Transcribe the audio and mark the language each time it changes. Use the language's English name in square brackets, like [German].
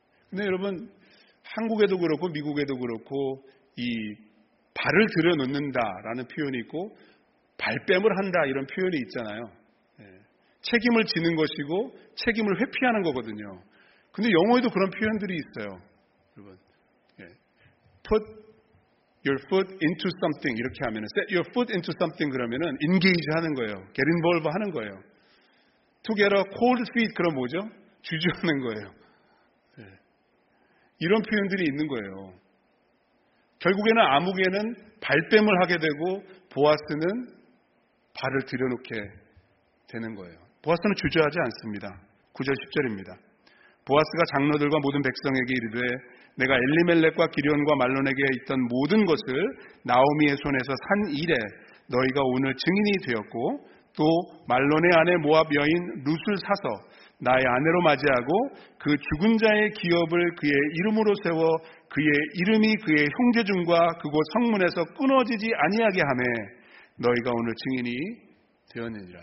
[Korean] 근데 여러분, 한국에도 그렇고 미국에도 그렇고 이 발을 들여놓는다라는 표현이 있고 발뺌을 한다 이런 표현이 있잖아요. 책임을 지는 것이고 책임을 회피하는 거거든요. 근데 영어에도 그런 표현들이 있어요. [English] Put your foot into something [Korean] 이렇게 하면 [English] set your foot into something [Korean] 그러면 [English] engage [Korean] 하는 거예요. [English] Get involved [Korean] 하는 거예요. [English] To get a cold feet [Korean] 그럼 뭐죠? 주저하는 거예요. 이런 표현들이 있는 거예요. 결국에는 아무개는 발뺌을 하게 되고 보아스는 발을 들여놓게 되는 거예요. 보아스는 주저하지 않습니다. 9절 10절입니다. 보아스가 장로들과 모든 백성에게 이르되 내가 엘리멜렉과 기리온과 말론에게 있던 모든 것을 나오미의 손에서 산 이래 너희가 오늘 증인이 되었고 또 말론의 아내 모압 여인 룻을 사서 나의 아내로 맞이하고 그 죽은 자의 기업을 그의 이름으로 세워 그의 이름이 그의 형제 중과 그곳 성문에서 끊어지지 아니하게 하매 너희가 오늘 증인이 되었느니라.